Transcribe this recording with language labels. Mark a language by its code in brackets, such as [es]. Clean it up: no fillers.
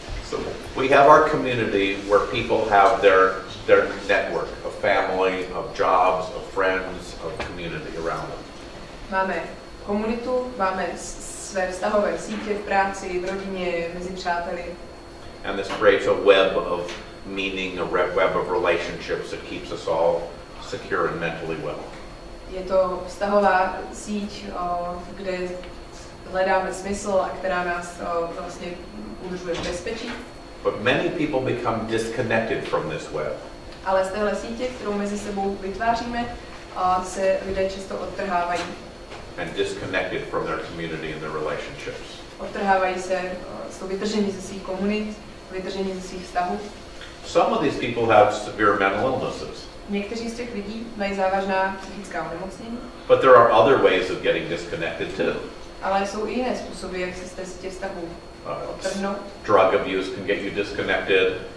[en] So we have our community where people have their network of family, of jobs, of friends, of community around them. [cs] Máme komunitu, máme své vztahové sítě v práci, v rodině, mezi přáteli. [en] And this creates a web of meaning, a web of relationships that keeps us all secure and mentally well. [cs] Je to vztahová síť, kde hledáme smysl a která nás vlastně udržuje v bezpečí. [en] But many people become disconnected from this web. [cs] Ale z téhle sítě, kterou mezi sebou vytváříme, se lidé často odtrhávají. [en] And disconnected from their community and their relationships. [cs] Odtrhávají se, jsou vytrženi ze svých komunit, vytrženi ze svých vztahů. [en] Some of these people have severe mental illnesses. [cs] Někteří z těch lidí mají závažná psychická onemocnění. [en] But there are other ways of getting disconnected too. [cs] Ale jsou i jiné způsoby, jak se z těch vztahů odtrhnout. [en] Drug abuse can get you disconnected.